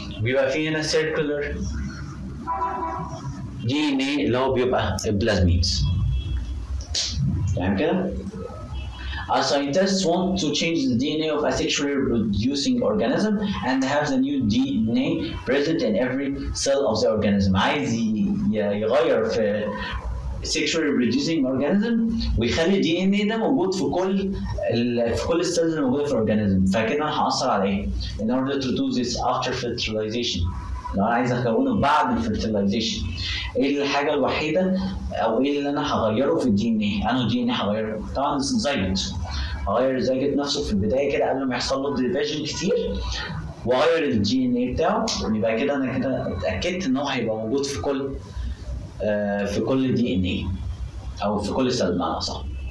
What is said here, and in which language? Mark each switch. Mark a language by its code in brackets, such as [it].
[ar] بيبقى فيها هنا circular DNA اللي هو بيبقى البلازميدز تمام كده. [en] Our scientists want to change the DNA of a sexually reproducing organism and have the new DNA present in every cell of the organism. [ar] عايز يغير في [en] sexually reproducing organism [ar] ويخلي DNA ده موجود في كل cells الموجودة في organism. فكده هنحصل على ايه؟ [en] In order to do this after fertilization. [ar] لو انا عايز اكونه بعد الفيرتلايزيشن ايه الحاجه الوحيده او ايه اللي انا هغيره في الدي ان ايه؟ انا الدي ان ايه هغيره طبعا زيجوت. هغير زيجوت نفسه في البدايه كده قبل ما يحصل له ديفيجن كتير واغير الدي ان ايه بتاعه. يبقى كده انا كده اتاكدت ان هو هيبقى موجود في كل دي ان ايه او في كل سيل بمعنى اصح.